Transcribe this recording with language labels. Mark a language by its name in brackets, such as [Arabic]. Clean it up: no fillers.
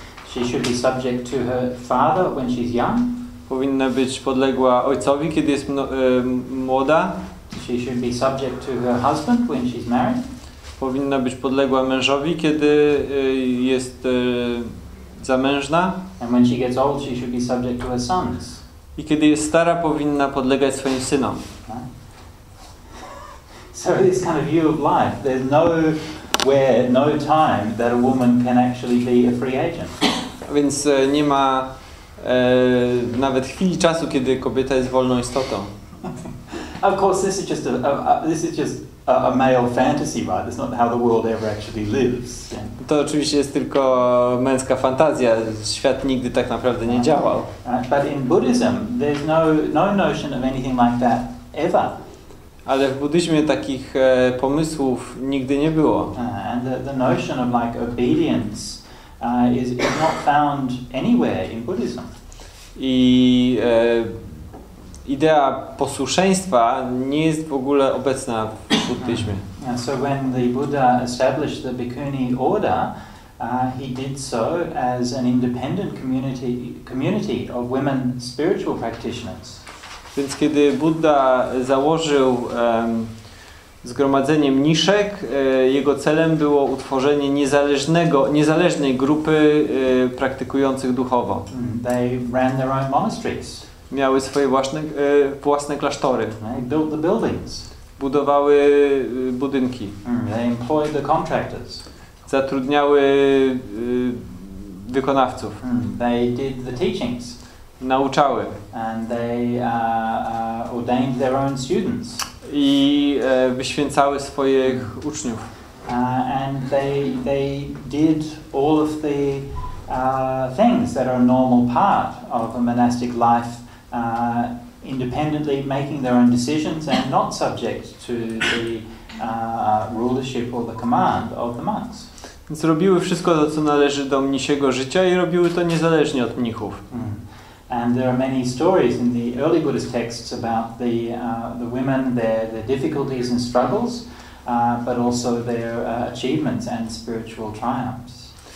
[English] She should be subject to her father when she's young. [Polish] Powinna być podległa ojcowi, kiedy jest młoda. [English] She should be subject to her husband when she's married. [Polish] Powinna być podległa mężowi, kiedy jest zamężna. [English] And when she gets old, she should be subject to her sons. [Polish] I kiedy jest stara, powinna podlegać swoim synom. [English] So this kind of view of life, there's nowhere, no time that a woman can actually be a free agent. [Polish] Więc nie ma nawet chwili czasu, kiedy kobieta jest wolną istotą. [English] Of course, this is just a male fantasy, right? It's not how the world ever actually lives. Yeah. [Polish] To oczywiście jest tylko męska fantazja. Świat nigdy tak naprawdę nie działał. [English] But in Buddhism, there's no notion of anything like that ever. [Polish] Ale w buddyzmie takich pomysłów nigdy nie było. [English] And the notion of like obedience is not found anywhere in Buddhism. [Polish] I idea posłuszeństwa nie jest w ogóle obecna w buddyzmie. [English] And so when the Buddha established the Bhikkhuni order, he did so as an independent community of women spiritual practitioners. [Polish] Więc kiedy Buddha założył zgromadzenie mniszek, jego celem było utworzenie niezależnej grupy praktykujących duchowo. [English] They ran their own monasteries. [Polish] Miały swoje własne klasztory. [English] They built the buildings. [Polish] Budowały budynki. [English] They employed the contractors. [Polish] Zatrudniały wykonawców. [English] They did the teachings. [Polish] Nauczały. [English] And they ordained their own students. [Polish] I wyświęcały swoich uczniów. [English] And they did all of the things that are a normal part of a monastic life, independently making their own decisions and not subject to the rulership or the command of the monks. [Polish] Więc robiły wszystko to, co należy do mnisiego życia i robiły to niezależnie od mnichów. [English] And there are many stories in the early Buddhist texts about the women, their difficulties and struggles, but also their achievements and spiritual triumphs.